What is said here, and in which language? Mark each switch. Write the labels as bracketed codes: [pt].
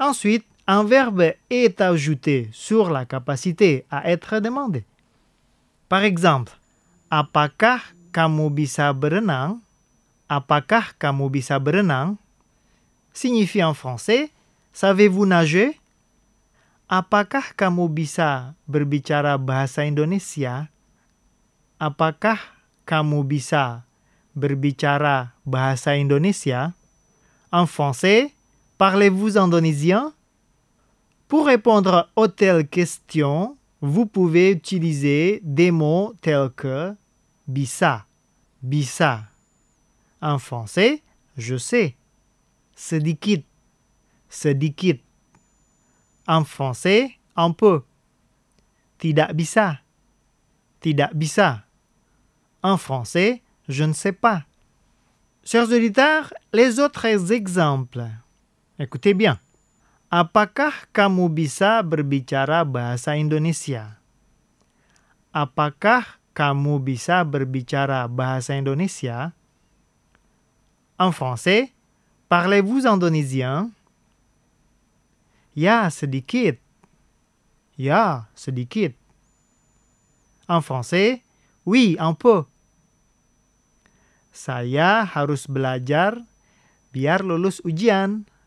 [fr] Ensuite, un verbe est ajouté sur la capacité à être demandé. Par exemple, [id] « Apakah kamubisa berenang ?» « Apakah kamubisa berenang ?» [fr] signifie en français « Savez-vous nager ?» [id] Apakah kamu bisa berbicara bahasa Indonesia? Apakah kamu bisa berbicara bahasa Indonesia? [fr] En français, parlez-vous indonésien? Pour répondre aux telles questions, vous pouvez utiliser des mots tels que [id] bisa, bisa. [fr] En français, je sais. [id] Sedikit, sedikit. [fr] En français, un peu. [id] Tidak bisa. Tidak bisa. [fr] En français, je ne sais pas. Chers auditeurs, les autres exemples. Écoutez bien. [id] Apakah kamu bisa berbicara bahasa Indonesia? Apakah kamu bisa berbicara bahasa Indonesia? [fr] En français, parlez-vous indonésien? [id] Ya, sedikit. Ya, sedikit. [fr] En français, oui, un peu. [id] Saya harus belajar biar lulus ujian.